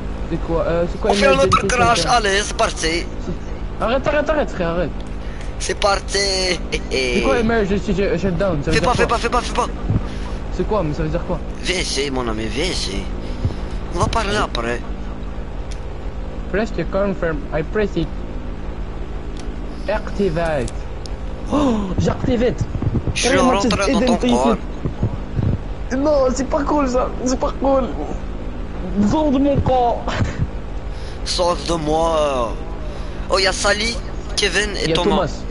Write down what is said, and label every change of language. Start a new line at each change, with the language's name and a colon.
French: C'est quoi? On fait un autre crash, allez, c'est parti. C'est... Arrête, frère, arrête. C'est parti. C'est quoi, mais je suis down. Fais pas. C'est quoi, mais ça veut dire quoi? Viens ici, mon ami, viens ici. On va parler ouais. Après.
English: Press to confirm, I press it. Activate.
French: Oh, j'activate. Je suis rentré dans ton corps. Non, c'est pas cool ça, c'est pas cool. Sors de mon corps. Sors de moi. Oh, y'a Sally, Kevin et Thomas.